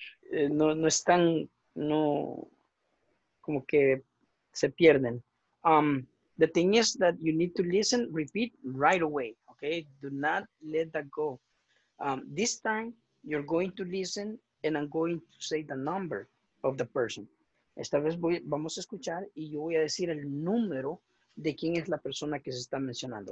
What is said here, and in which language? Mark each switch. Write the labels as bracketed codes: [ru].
[es] No, no están, no, como que se pierden. [en] The thing is that you need to listen, repeat right away. Okay, do not let that go. This time, you're going to listen and I'm going to say the number of the person. [es] Esta vez vamos a escuchar y yo voy a decir el número de quién es la persona que se está mencionando.